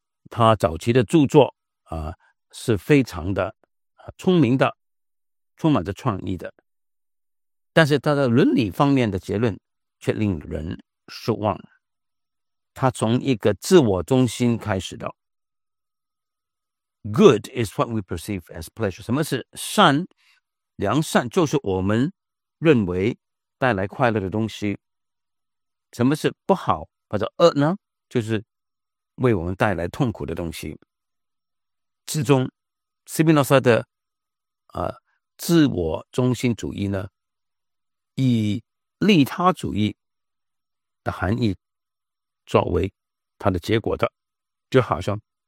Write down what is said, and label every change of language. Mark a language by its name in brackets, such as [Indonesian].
[Chinese] 他早期的著作啊，是非常的聪明的，充满着创意的，但是他的伦理方面的结论却令人失望。他从一个自我中心开始的。 [English] Good is what we perceive as pleasure. [Chinese] 什么是善？良善就是我们认为带来快乐的东西。什么是不好或者恶呢？就是为我们带来痛苦的东西。之中，斯宾诺莎的自我中心主义呢，以利他主义的含义作为它的结果的，就好像